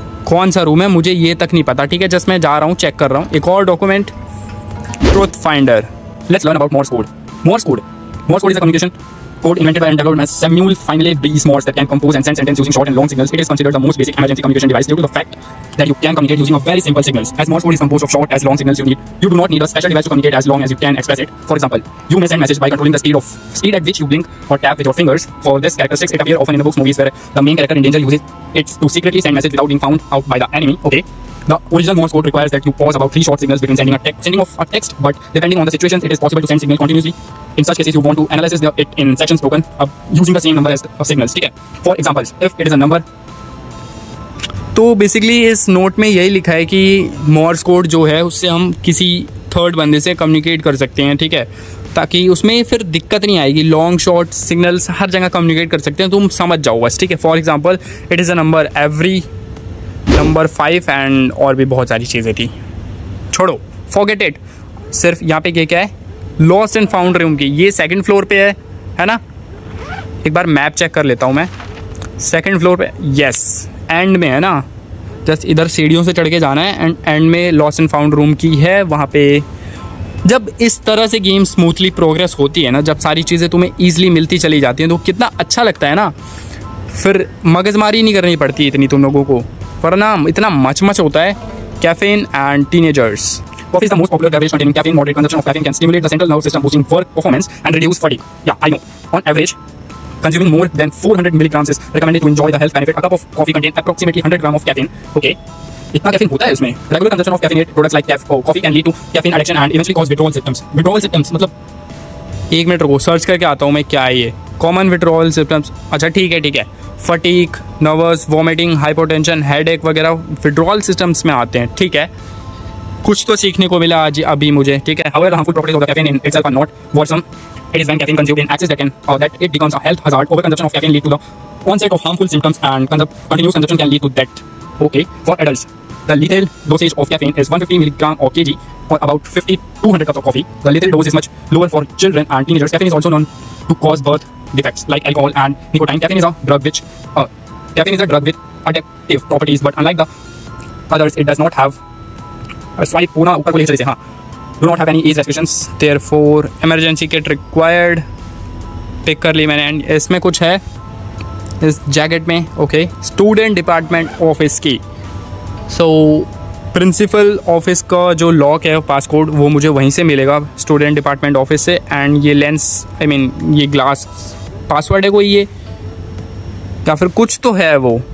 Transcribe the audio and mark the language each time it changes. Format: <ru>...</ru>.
<hi>कौन सा रूम है मुझे ये तक नहीं पता, ठीक है, जस्ट मैं जा रहा हूँ चेक कर रहा हूँ। एक और document, truth finder,</hi> <en>Let's learn about Morse code is a communication code invented by and developed by Samuel Finley Breese Morse that can compose and send sentence using short and long signals. It is considered the most basic emergency communication device due to the fact that you can communicate using a very simple signals. As Morse code is composed of short as long signals you need, you do not need a special device to communicate as long as you can express it. For example, you may send message by controlling the speed at which you blink or tap with your fingers. For this characteristic, it appears often in the books, movies, where the main character in danger uses it to secretly send message without being found out by the enemy. Okay. The original Morse code requires that you pause about 3 short signals between sending a text, but depending on the situation, it is possible to send signal continuously. In such cases, you want to analyze it in sections spoken using the same number as the signals. Okay. For example, if it is a number,</en> <hi>तो basically इस note में यही लिखा है कि Moore's code जो है उससे हम किसी थर्ड बंदे से कम्युनिकेट कर सकते हैं, ठीक है, ताकि उसमें फिर दिक्कत नहीं आएगी। लॉन्ग शॉर्ट सिग्नल्स हर जगह कम्युनिकेट कर सकते हैं, तुम समझ जाओ बस, ठीक है।</hi> <en>for example, it is a number, every number 5 and</en> <hi>और भी बहुत सारी चीज़ें थी, छोड़ो,</hi> <en>Forget it.</en> <hi>सिर्फ यहाँ पे क्या है, लॉस्ट एंड फाउंड रूम की, ये सेकेंड फ्लोर पे है ना, एक बार मैप चेक कर लेता हूँ मैं। सेकेंड फ्लोर पे, यस, एंड में है ना, जस्ट इधर सीढ़ियों से चढ़ के जाना है एंड एंड में लॉस्ट एंड फाउंड रूम की है वहाँ पे। जब इस तरह से गेम स्मूथली प्रोग्रेस होती है ना, जब सारी चीज़ें तुम्हें ईजिली मिलती चली जाती हैं तो कितना अच्छा लगता है ना, फिर मगजमारी नहीं करनी पड़ती इतनी तुम लोगों को, वरना इतना मच होता है।</hi> <en>Caffeine and teenagers, coffee is the most popular beverage containing caffeine, moderate consumption of caffeine can stimulate the central nerve system boosting work performance and reduce fatigue. या I know, on average consuming more than 400 milligrams is recommended to enjoy the health benefit. A cup of coffee contains approximately 100 grams of caffeine. Okay,</en> <hi>इतना caffeine होता है उसमें।</hi> <en>Regular consumption of caffeinated products like coffee can lead to caffeine addiction and eventually cause withdrawal symptoms.</en> <hi>Withdrawal symptoms मतलब, एक minute रुको search करके आता हूँ मैं क्या है ये कॉमन विड्रॉल सिम्टम्स। अच्छा ठीक है ठीक है, fatigue, nervous, vomiting, hypotension, headache वगैरह विड्रॉल सिस्टम्स में आते हैं। ठीक है, कुछ तो सीखने को मिला आज अभी मुझे। ठीक है,</hi> <en>However harmful properties of the caffeine in itself are not worrisome, it is when caffeine consumed in excess that can और that it becomes a health hazard. Over consumption of caffeine lead to the onset of harmful symptoms and continuous consumption can lead to death. Okay, for adults the lethal dosage of caffeine is 150 milligram per KG for about 50-200 cups of coffee. The lethal dose is much lower for children and teenagers. Caffeine is also known to cause birth defects like alcohol and nicotine. Caffeine is a drug which caffeine is a drug with addictive properties, but unlike the others it does not have do not have any age restrictions, therefore emergency kit required.</en> <hi>Pick kar li maine, and isme kuch hai is jacket mein. Okay, student department office ki, so principal office का जो lock है passcode वो मुझे वहीं से मिलेगा student department office से। And ये लेंस आई मीन ये ग्लास पासवर्ड है कोई ये या फिर कुछ तो है वो।</hi>